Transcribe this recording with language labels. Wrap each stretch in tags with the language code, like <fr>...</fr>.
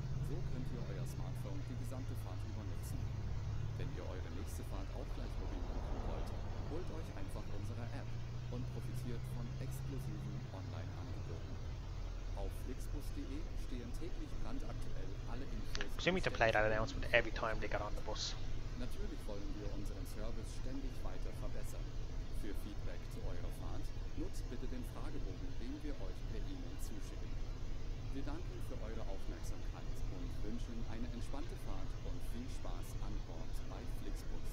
<de>So könnt ihr euer Smartphone die gesamte Fahrt über nutzen. Wenn ihr eure nächste Fahrt auch gleich mobil machen wollt, holt euch einfach unsere App und profitiert von exklusiven Online-Angeboten. Auf FlixBus.de stehen täglich brandaktuell alle Infos.</de> <en>Assume to play that announcement every time they get on the bus.</en> <de>Natürlich wollen wir unseren Service ständig weiter verbessern. Für Feedback zu eurer Fahrt nutzt bitte den Fragebogen, den wir euch per E-Mail zuschicken. Wir danken für eure Aufmerksamkeit und wünschen eine entspannte Fahrt und viel Spaß an Bord bei FlixBus.</de>